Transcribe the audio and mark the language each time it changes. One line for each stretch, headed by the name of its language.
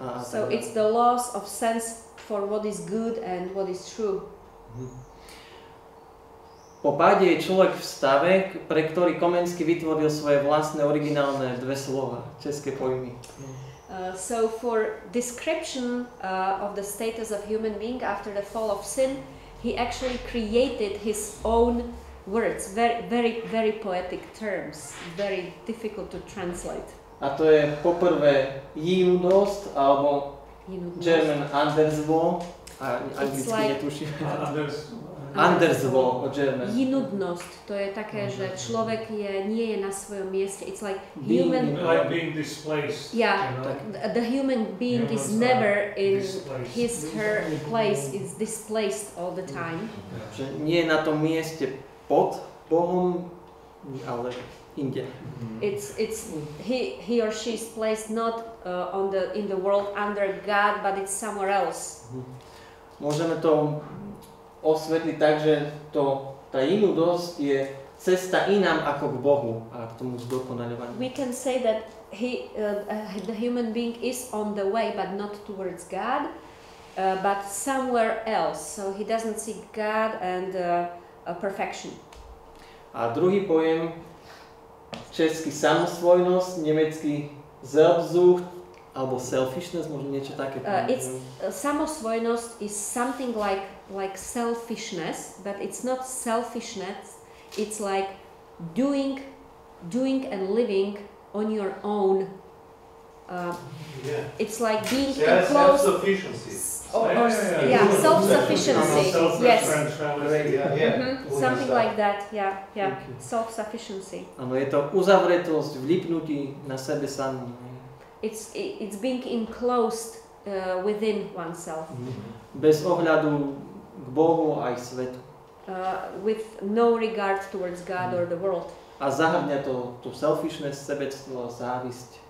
English: So it's the loss of sense for what is good and what is true.
Slovak: Po páde je človek v stave, pre ktorý Komenský vytvoril svoje vlastné originálne dve slova, české pojmy.
English: So for description of the status of human being after the fall of sin, he actually created his own words, very, very, very poetic terms, very difficult to translate.
Slovak: A to je poprvé Judost, alebo
German: German Anderswo,
Slovak: anglicky netuším.
German: Anderswo, o German.
Slovak: Jinudnost, to je také, mm-hmm. že človek je, nie je na svojom mieste.
English: It's like being, human... Like being displaced. Yeah, you know? The human being is never in his, her place, is displaced all the time.
Slovak: Že nie je na tom mieste pod Bohom, ale inde.
English: It's he or she is placed not on the in the world under God, but it's somewhere else.
Slovak: Môžeme to osvetliť tak, že to, tá inudosť je cesta inám ako k Bohu a k tomu zdokonaľovaniu.
English: We can say that the human being is on the way, but not towards God, but somewhere else. So he doesn't see God and perfection.
Slovak: A druhý pojem, česky samosvojnosť, nemecky Selbstsucht, alebo selfishness, možno niečo také.
English: Samosvojnosť is something like selfishness, but it's not selfishness, it's like doing and living on your own. It's like being enclosed. Self-sufficiency. Yes. Mm-hmm. Something like that. Yeah. Self-sufficiency.
Slovak: Ano, je to uzavretosť, vlipnutí na sebe sám.
English: It's being enclosed within oneself.
Slovak: Bez ohľadu k Bohu aj svetu.
English: With no regard towards God or the world.
Slovak: A zahrňa to tú selfishness, sebectvo, závisť.